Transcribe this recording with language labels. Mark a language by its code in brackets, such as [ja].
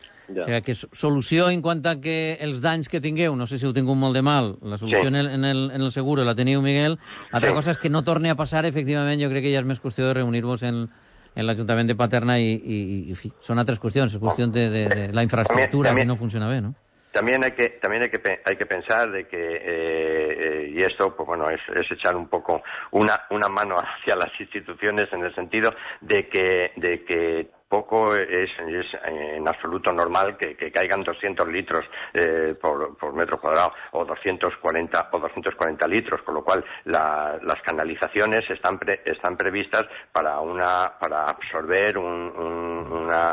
[ca] Ja. O sigui, que solució en quant a que els danys que tingueu, no sé si ho tingueu molt de mal, la solució sí. en el seguro la teniu, Miguel. Altra sí. cosa és que no torni a passar, efectivament, jo crec que ja és més qüestió de reunir-vos en l'Ajuntament de Paterna i són altres qüestions, és qüestió de la infraestructura que no funciona bé, no? [es] También hay que pensar de que y esto pues bueno es echar un poco una mano hacia las instituciones en el sentido de que poco es en absoluto normal que caigan 200 litros por metro cuadrado o 240 litros, con lo cual las canalizaciones están previstas para absorber un